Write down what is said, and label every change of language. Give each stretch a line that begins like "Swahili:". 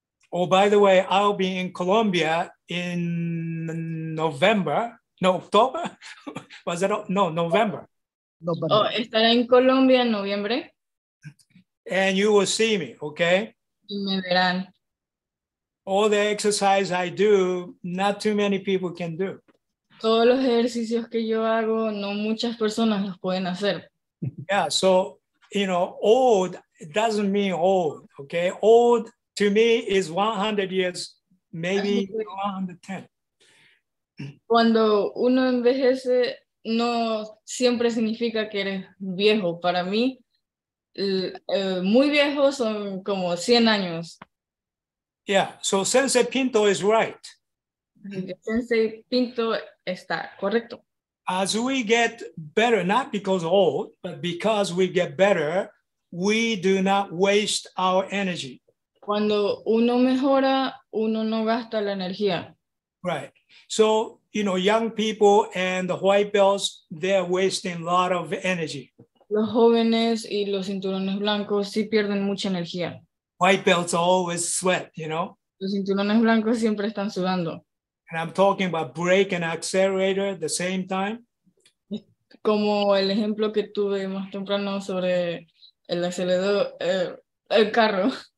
English: Oh, by the way, I'll be in Colombia in November. No, October? Was that? No, November.
Spanish: Oh, estaré en Colombia en noviembre.
English: And you will see me, okay?
Spanish: Y me verán.
English: All the exercise I do, not too many people can do.
Spanish: Todos los ejercicios que yo hago, no muchas personas los pueden hacer.
English: Yeah, so, you know, old doesn't mean old, okay? Old to me is 100 years, maybe 110.
Spanish: Cuando uno envejece, no siempre significa que eres viejo. Para mí, muy viejo son como 100 años.
English: Yeah, so Sensei Pinto is right.
Spanish: Sensei Pinto está correcto.
English: As we get better, not because old, but because we get better, we do not waste our energy.
Spanish: Cuando uno mejora, uno no gasta la energía.
English: Right. So, you know, young people and the white belts, they're wasting a lot of energy.
Spanish: Los jóvenes y los cinturones blancos sí pierden mucha energía.
English: White belts always sweat, you know?
Spanish: Los cinturones blancos siempre están sudando.
English: And I'm talking about brake and accelerator at the same time.
Spanish: Como el ejemplo que tuve más temprano sobre el acelerador, el carro.